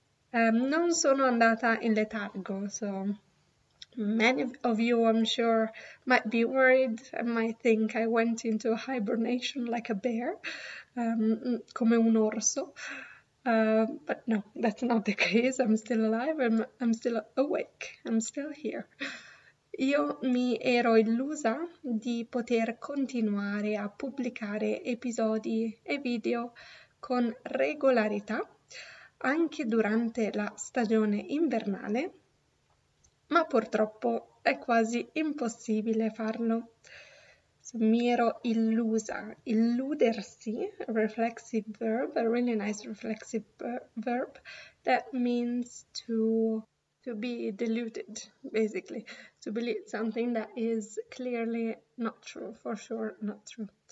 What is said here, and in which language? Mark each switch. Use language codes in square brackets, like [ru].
[it] Non sono andata in letargo, [en] so many of you, I'm sure, might be worried and might think I went into hibernation like a bear, [it] come un orso. [en] But no, that's not the case. I'm still alive, I'm still awake, I'm still here. [it] Io mi ero illusa di poter continuare a pubblicare episodi e video con regolarità anche durante la stagione invernale, ma purtroppo è quasi impossibile farlo. Mi ero illusa, illudersi, [en] reflexive verb, a really nice reflexive verb, that means to be deluded, basically, to believe something that is clearly not true, for sure not true.